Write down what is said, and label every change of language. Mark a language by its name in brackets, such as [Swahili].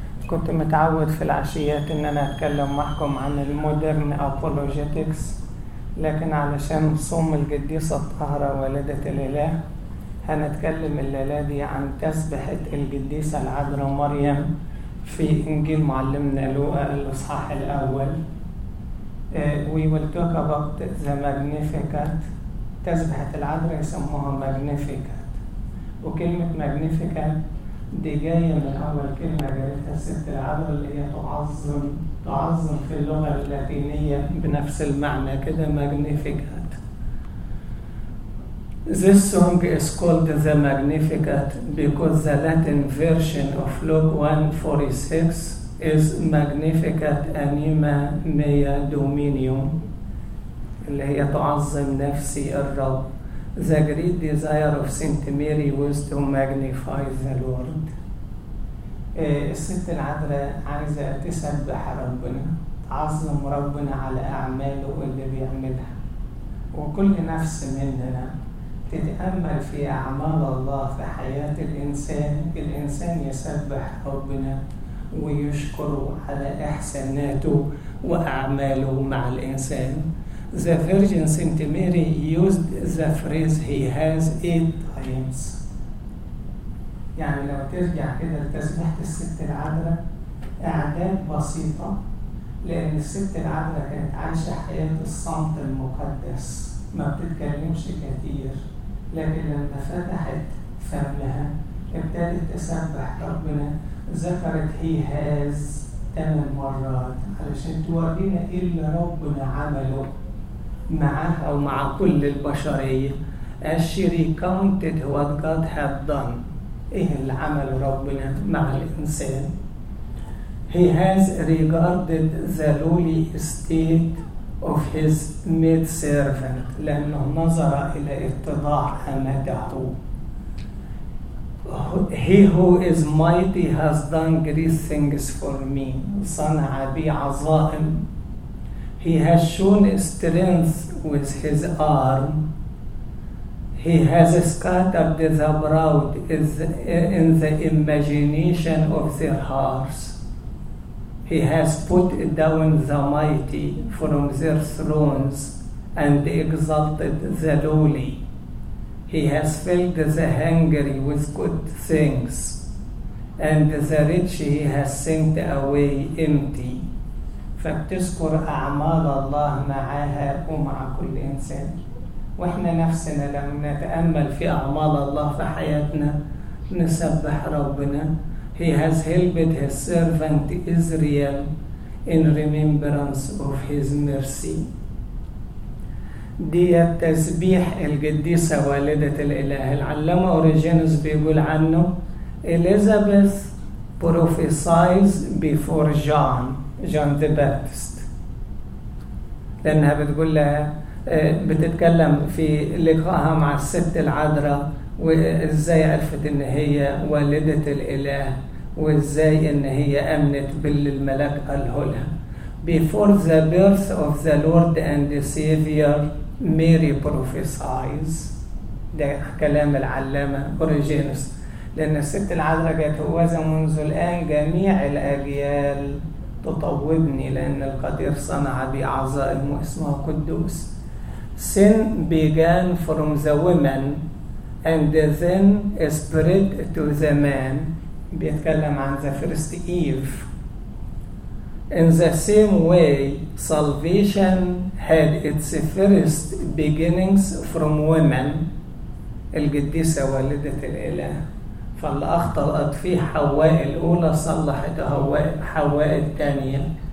[Arabic] كنت متعود في العشيات إن أنا أتكلم معكم عن المودرن أبولوجيتكس، لكن علشان صوم القديسة الطاهرة والدة الإله هنتكلم الليلة دي عن تسبحة القديسة العذراء مريم في إنجيل معلمنا لوقا الإصحاح الأول. [English] We will talk about the Magnificat. [Arabic] تسبحة العذراء يسموها Magnificat، وكلمة Magnificat دي جاية من أول كلمة قالتها ست العذراء اللي هي تعظم، تعظم في اللغة اللاتينية بنفس المعنى كده Magnificat. [English] This song is called the Magnificat because the Latin version of Luke 1:46 is [Latin] Magnificat anima mea dominium، [Arabic] اللي هي تعظم نفسي الرب. [English] The great desire of Saint Mary was to magnify the Lord. [Arabic] الست العذراء عايزة تسبح ربنا، تعظم ربنا على أعماله اللي بيعملها. وكل نفس مننا تتأمل في أعمال الله في حياة الإنسان، الإنسان يسبح ربنا ويشكره على إحساناته وأعماله مع الإنسان. [English] The Virgin Saint Mary used the phrase he has 8 times. [Arabic] يعني لو ترجع كده لتسبيحة الست العذراء أعداد بسيطة، لأن الست العذراء كانت عايشة حياة الصمت المقدس، ما بتتكلمش كتير، لكن لما فتحت فمها ابتدت تسبح ربنا، ذكرت هي هاز 8 مرات علشان تورينا ايه اللي ربنا عمله معها ومع كل البشرية. [English] As she recounted what God had done، [Arabic] ايه اللي عمل ربنا مع الانسان. [English] He has regarded the lowly state of his maid servant، [Arabic] لانه نظر الى ارتضاع امته. [English] He who is mighty has done great things for me، [Arabic] صنع بي عظائم. [English] He has shown strength with his arm. He has scattered the proud in the imagination of their hearts. He has put down the mighty from their thrones and exalted the lowly. He has filled the hungry with good things, and the rich he has sent away empty. [Arabic] فبتذكر أعمال الله معها ومع كل إنسان. وإحنا نفسنا لما نتأمل في أعمال الله في حياتنا نسبح ربنا. [English] He has helped his servant Israel in remembrance of his mercy. [Arabic] دي تسبيح القديسة والدة الإله. العلامة أوريجينوس بيقول عنه [English] Elizabeth prophesies before John, John the Baptist, [Arabic] لأنها بتقول لها، بتتكلم في لقائها مع الست العذراء وإزاي عرفت إن هي والدة الإله وإزاي إن هي أمنت باللي الملاك قاله لها. [English] Before the birth of the Lord and the Savior Mary prophesies. [Arabic] ده كلام العلامة أوريجينوس، لأن الست العذراء جاءت هوذا منذ الآن جميع الأجيال تطوبني، لأن القدير صنع بي عظائم واسمه قدوس. [English] Sin began from the woman and then spread to the man. [Arabic] بيتكلم عن [English] the first Eve. In the same way, salvation had its first beginnings from women. [Arabic] القديسة والدة الإله. فاللي أخطأت فيه حواء الأولى صلحت حواء الثانية.